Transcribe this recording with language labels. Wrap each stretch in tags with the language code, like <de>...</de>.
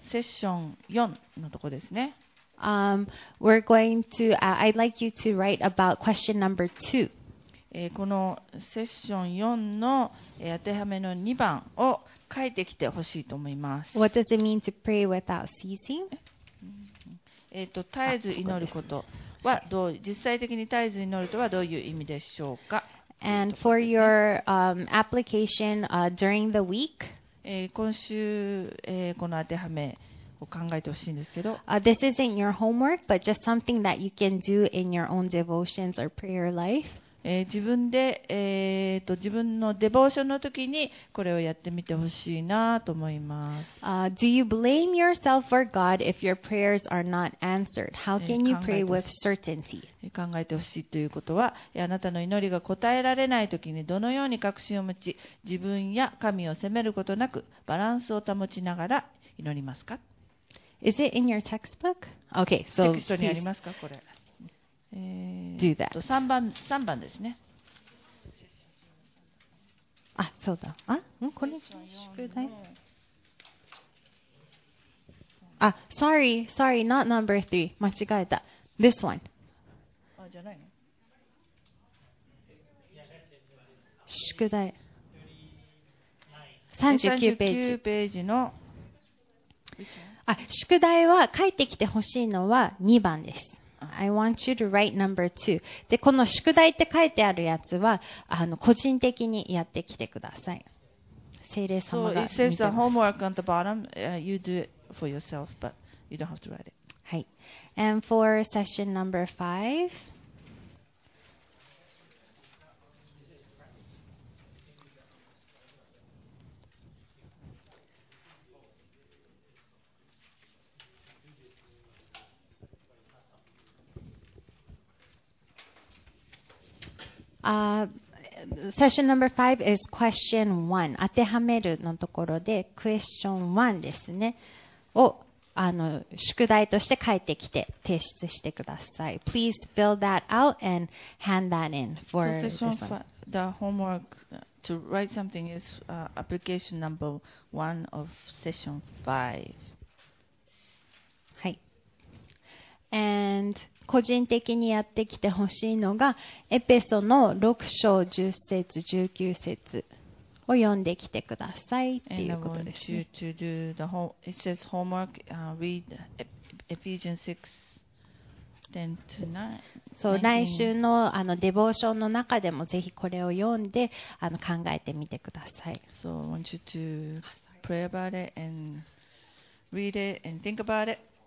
<ja>セッション4のところですね。</ja> <en>We're going to, I'd like you to write about question number 2.</en> <ja>このセッション4の当てはめの2番を書いてきてほしいと思います。</ja> <en>What does it mean to pray without ceasing?</en> <ja>絶えず祈ることはどう、実際的に絶えず祈るとはどういう意味でしょうか。</ja> <en>And for your application during the week</en> <ja>今週、この当てはめを考えてほしいんですけど、</ja> <en>This isn't your homework but just something that you can do in your own devotions or prayer life.</en> <ja>自分で、自分のデボーションの時にこれをやってみてほしいなと思います。</ja> <en>Do you blame yourself or God if your prayers are not answered? How can you pray with certainty?</en> <ja>考えてほしいということは、あなたの祈りが答えられない時にどのように確信を持ち、自分や神を責めることなくバランスを保ちながら祈りますか?</ja> <en>Is it in your textbook? Okay, so</en> <ja>テキストにありますか、これ。</ja> <en>Do that.</en> <ja>3番ですね。あ、そうだ。あ、ん、この宿題。</ja> <en>あ、sorry, not number three.</en> <ja>間違えた。</ja> <en>This one.</en> <ja>あ、じゃないの。宿題。 39ページ。39 ページの。あ、宿題は書いてきてほしいのは2番です。</ja> <en>I want you to write number two.</en> <ja>で、この宿題って書いてあるやつは、個人的にやってきてください。聖霊様が見てます。</ja> <en>So it says the homework on the bottom. You do it for yourself, but you don't have to write it.</en> <ja>はい。</ja> <en>And for session number five. Session number 5 is question 1.</en> <ja>当てはめるのところで、</ja> <en>question 1</en> <ja>ですね。を、宿題として書いてきて提出してください。</ja> <en>Please fill that out and hand that in for this one. Session 5, the homework to write something is application number 1 of session 5. はい。And...</en> <ja>個人的にやってきてほしいのがエペソの6章10節19節を読んできてくださいっていうことですね。</ja> <en>And I want you to do the whole, it says homework, read Ephesians 6:10 to 9.</en> <ja>そう、来週の、デボーションの中でもぜひこれを読んで考えてみてください。</ja> <en>So I want you to pray about it and read it and think about it.</en>